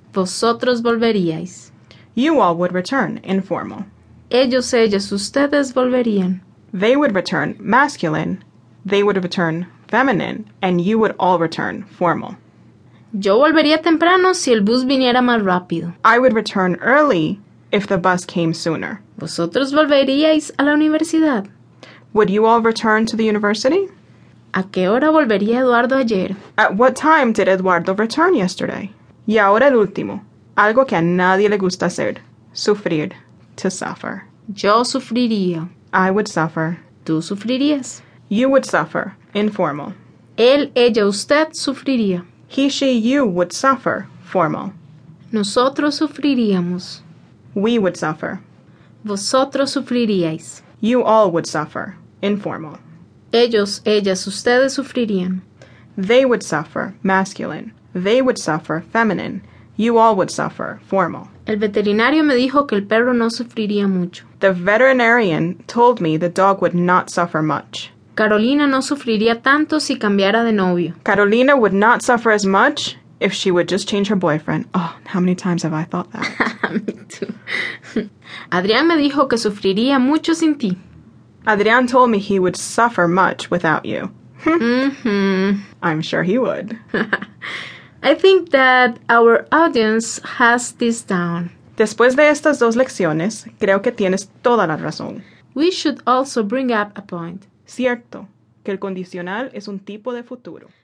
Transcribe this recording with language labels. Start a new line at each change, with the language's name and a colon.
Spanish: Vosotros volveríais.
English: You all would return, informal.
Spanish: Ellos, ellas, ustedes volverían.
English: They would return, masculine. They would return, feminine. And you would all return, formal.
Spanish: Yo volvería temprano si el bus viniera más rápido.
English: I would return early if the bus came sooner.
Spanish: Vosotros volveríais a la universidad.
English: Would you all return to the university?
Spanish: ¿A qué hora volvería Eduardo ayer?
English: At what time did Eduardo return yesterday?
Spanish: Y ahora el último. Algo que a nadie le gusta hacer. Sufrir.
English: To suffer.
Spanish: Yo sufriría.
English: I would suffer.
Spanish: Tú sufrirías.
English: You would suffer. Informal.
Spanish: Él, ella, usted sufriría.
English: He, she, you would suffer. Formal.
Spanish: Nosotros sufriríamos.
English: We would suffer.
Spanish: Vosotros sufriríais.
English: You all would suffer. Informal.
Spanish: Ellos, ellas, ustedes sufrirían.
English: They would suffer, masculine. They would suffer, feminine. You all would suffer, formal.
Spanish: El veterinario me dijo que el perro no sufriría mucho.
English: The veterinarian told me the dog would not suffer much.
Spanish: Carolina no sufriría tanto si cambiara de novio.
English: Carolina would not suffer as much if she would just change her boyfriend. Oh, how many times have I thought that? Me too.
Spanish: Adrián me dijo que sufriría mucho sin ti.
English: Adrián told me he would suffer much without you. I'm sure he would. I think that our audience has this down.
Spanish: Después de estas dos lecciones, creo que tienes toda la razón.
English: We should also bring up a point.
Spanish: Cierto, que el condicional es un tipo de futuro.